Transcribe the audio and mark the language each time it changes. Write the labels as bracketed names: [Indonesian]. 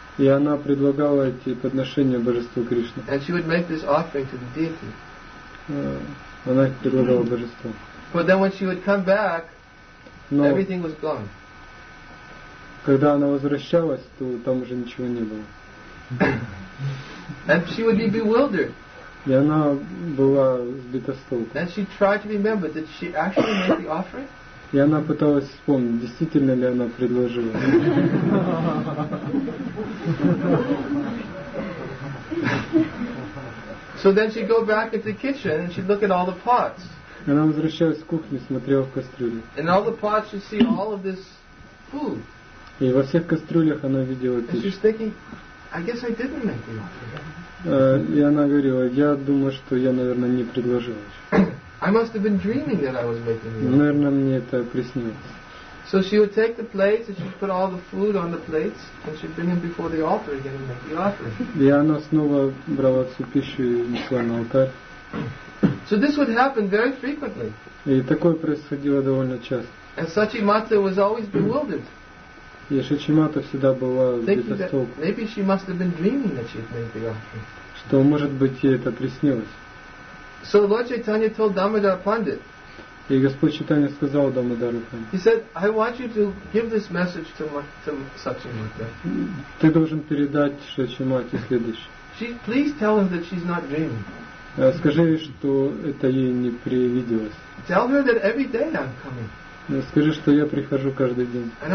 [Russian] И она предлагала эти подношения Божеству Кришне. [English] And she would make this offering to the deity. [Russian] Она их предлагала Божеству. [English] But then when she would come back, Но everything was gone. [Russian] Когда она возвращалась, то там уже ничего не было. [English] And she would be bewildered. [Russian] И она была сбита с толку. [English] And she tried to remember, did she actually make the offering? [Russian] И она пыталась вспомнить, действительно ли она предложила. [English] So then she'd go back into the kitchen and she'd look at all the pots. [Russian] Она возвращалась в кухню, смотрела в кастрюлю. [English] And all the pots she'd see all of this food. [Russian] И во всех кастрюлях она видела пищу. [English] And she's thinking, I guess I didn't make the offering. [Russian] И она говорила, я думаю, что я, наверное, не предложила. [English] I must have been dreaming that I was making the offering. [Russian] Наверное, мне это приснилось. [English] So she would take the plates and she'd put all the food on the plates and she'd bring them before the altar again and make the offering. [Russian] И она снова брала всю пищу и несла на алтарь. [English] So this would happen very frequently. [Russian] И такое происходило довольно часто. [English] And Сачимата was always bewildered. [Russian] И Шачимата всегда была где-то с толку. [English] Maybe she must have been dreaming that she'd made the offering. [Russian] Что, может быть, ей это приснилось. [English] So Lord Chaitanya told Damodar Pandit. [Russian] И Господь Чайтанья сказал Дамодару Пандит. [English] He said, I want you to give this message to Сачимата. [Russian] Ты должен передать Шачимате следующее. [English] She, please tell her that she's not dreaming. [Russian] Скажи ей, что это ей не привиделось. [English] Tell her that every day I'm coming. [Russian] Скажи, что я прихожу каждый день.